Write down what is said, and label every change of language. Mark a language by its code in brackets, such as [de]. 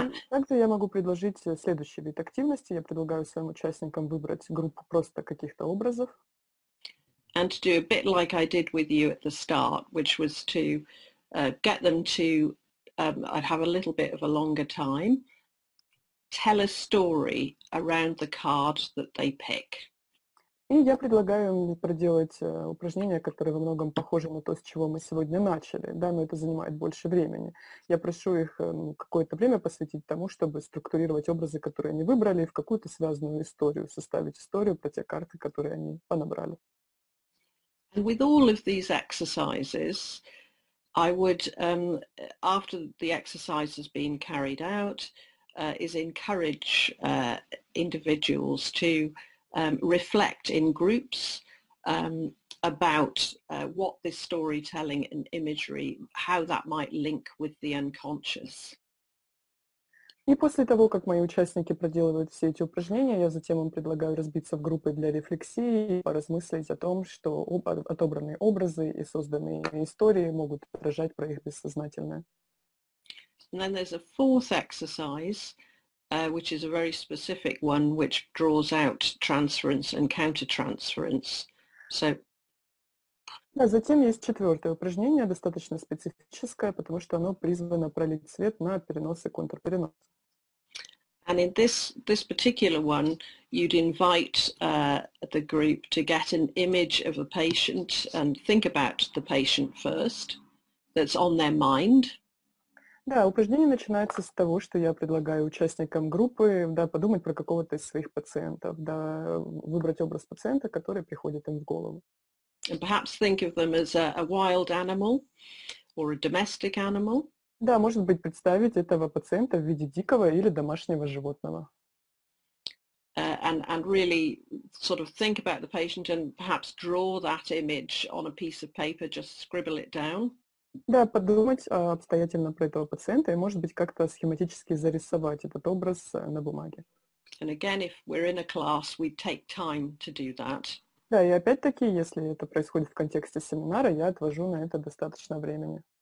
[ru] Также я могу предложить следующий вид активности. Я предлагаю своим участникам выбрать группу просто каких-то образов. [en] And to do a bit like I did with you at the start, which was to get them to have a little bit of a longer time, tell a story around the card that they pick. [ru] И я предлагаю им проделать упражнение, которое во многом похоже на то, с чего мы сегодня начали, да, но это занимает больше времени. Я прошу их какое-то время посвятить тому, чтобы структурировать образы, которые они выбрали, в какую-то связанную историю, составить историю про те карты, которые они понабрали. [en] And with all of these exercises, I would, after the exercise has been carried out, is encourage individuals to reflect in groups about what this storytelling and imagery, how that might link with the unconscious. [ru] И после того, как мои участники проделывают все эти упражнения, я затем им предлагаю разбиться в группы для рефлексии и поразмыслить о том, что отобранные образы и созданные истории могут отражать про их бессознательное. [en] And then there's a fourth exercise. Which is a very specific one, which draws out transference and countertransference. So. [ru] Да, затем есть четвертое упражнение, достаточно специфическое, потому что оно призвано пролить свет на перенос и контрперенос. [en] And in this particular one, you'd invite the group to get an image of a patient and think about the patient first, that's on their mind. [ru] Да, упражнение начинается с того, что я предлагаю участникам группы, да, подумать про какого-то из своих пациентов, да, выбрать образ пациента, который приходит им в голову. [en] And perhaps think of them as a wild animal or a domestic animal. [ru] Да, может быть, представить этого пациента в виде дикого или домашнего животного. [en] And really sort of think about the patient and perhaps draw that image on a piece of paper, just scribble it down. [ru] Да, подумать обстоятельно про этого пациента и, может быть, как-то схематически зарисовать этот образ на бумаге. [en] And again, if we're in a class, we take time to do that. [ru] Да, и опять-таки, если это происходит в контексте семинара, я отвожу на это достаточно времени.